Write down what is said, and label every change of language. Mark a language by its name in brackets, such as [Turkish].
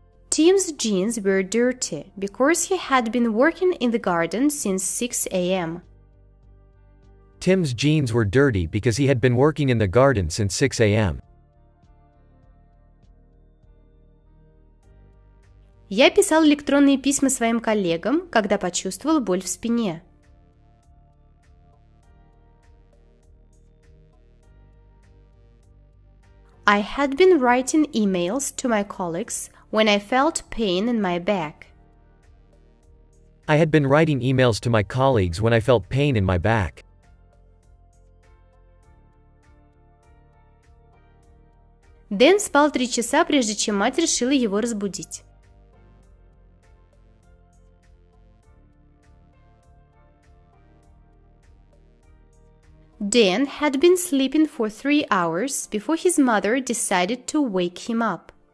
[English] Tim's jeans were dirty because he had been working in the garden since 6 a.m. Tim's jeans were dirty because he had been working in the garden since 6 a.m. [Russian] Я писал электронные письма своим коллегам, когда почувствовал боль в спине. [English] I had been writing emails to my colleagues when I felt pain in my back. I had been writing emails to my colleagues when I felt pain in my back. [Russian] Дэн спал 3 часа, прежде чем мать решила его разбудить. [English] Dan had been sleeping for 3 hours before his mother decided to wake him up.